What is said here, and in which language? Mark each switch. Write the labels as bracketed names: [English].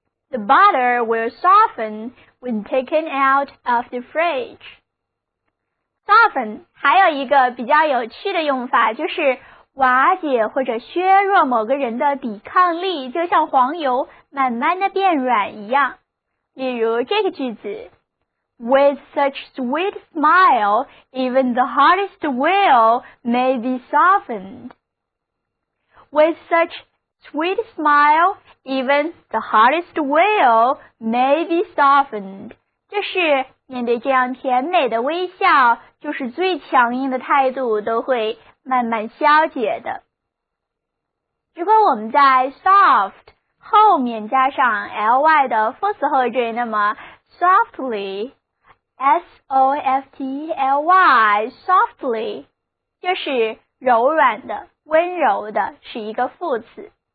[English] The butter will soften when taken out of the fridge. [Chinese] Soften 还有一个比较有趣的用法，就是瓦解或者削弱某个人的抵抗力，就像黄油慢慢的变软一样。例如这个句子， [English] With such sweet smile, even the hardest will may be softened. With such sweet smile, even the hardest will may be softened. [Chinese] 就是面对这样甜美的微笑，就是最强硬的态度都会慢慢消解的。如果我们在 soft 后面加上 ly 的副词后缀，那么 softly， softly， softly 就是柔软的、温柔的，是一个副词。